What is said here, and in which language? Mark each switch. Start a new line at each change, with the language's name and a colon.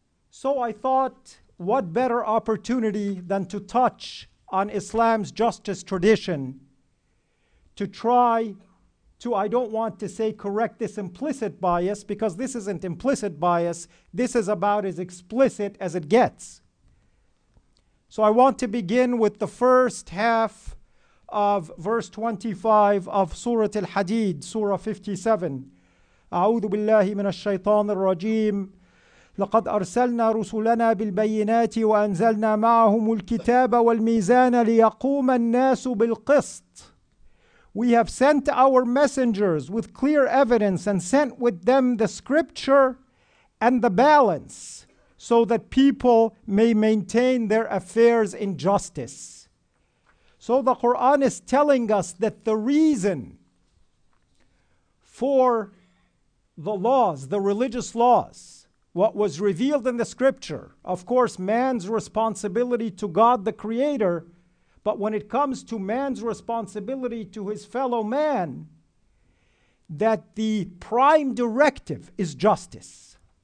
English: So I thought, what better opportunity than to touch on Islam's justice tradition to try to, I don't want to say correct this implicit bias, because this isn't implicit bias, this is about as explicit as it gets. So I want to begin with the first half of verse 25 of Surah Al-Hadid, Surah 57.
Arabic: أعوذ بالله من الشيطان الرجيم لقد أرسلنا رسلنا بالبينات وأنزلنا معهم الكتاب والميزان ليقوم الناس بالقسط.
English: We have sent our messengers with clear evidence and sent with them the scripture and the balance, so that people may maintain their affairs in justice. So the Quran is telling us that the reason for the laws, the religious laws, what was revealed in the scripture, of course, man's responsibility to God the Creator, but when it comes to man's responsibility to his fellow man, that the prime directive is justice.